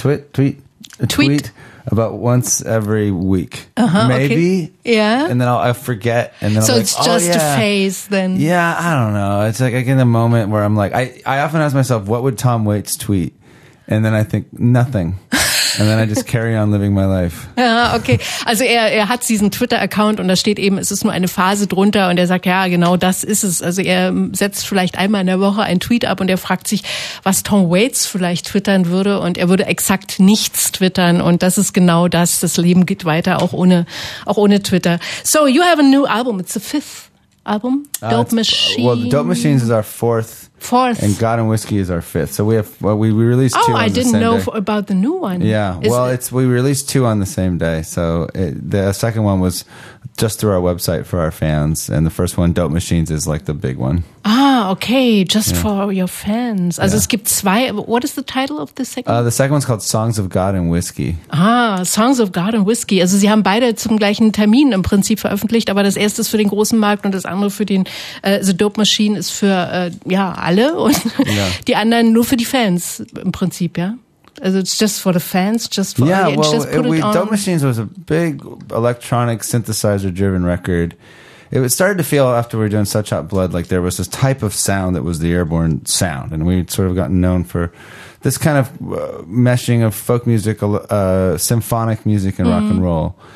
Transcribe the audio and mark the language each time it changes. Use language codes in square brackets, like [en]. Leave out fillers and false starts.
[en] I'll send a tweet about once every week. Uh-huh, maybe. Okay. Yeah. And then I'll forget. And then so I'm it's like, just oh, yeah. a phase then. Yeah, I don't know. It's like in the moment where I'm like, I often ask myself, what would Tom Waits tweet? And then I think, nothing. And then I just carry on living my life. [de] Ja, okay. Also er hat diesen Twitter-Account und da steht eben, es ist nur eine Phase drunter. Und er sagt, ja, genau das ist es. Also er setzt vielleicht einmal in der Woche einen Tweet ab und er fragt sich, was Tom Waits vielleicht twittern würde. Und er würde exakt nichts twittern. Und das ist genau das. Das Leben geht weiter, auch ohne Twitter. [en] So, you have a new album. It's the 5th album. Dope Machines. Well, Dope Machines is our 4th. Fourth. And God and Whiskey is our 5th. So we released two on the same day. Oh, I didn't know about the new one. Yeah. We released two on the same day. So the second one was just through our website for our fans. And the first one, Dope Machines, is like the big one. Ah, okay. Just for your fans. [de] Also es gibt zwei. [en] What is the title of the second one? The second one's called Songs of God and Whiskey. Ah, Songs of God and Whiskey. [de] Also sie haben beide zum gleichen Termin im Prinzip veröffentlicht. Aber das erste ist für den großen Markt und das andere für den, also Dope Machine ist für, alle und die anderen nur für die Fans im Prinzip, ja? [en] Also it's just for the fans, just for yeah, the well, just put it we, on. Dope Machines was a big electronic synthesizer-driven record. It started to feel, after we were doing Such Hot Blood, like there was this type of sound that was the Airborne sound. And we'd sort of gotten known for this kind of meshing of folk music, symphonic music and rock and roll.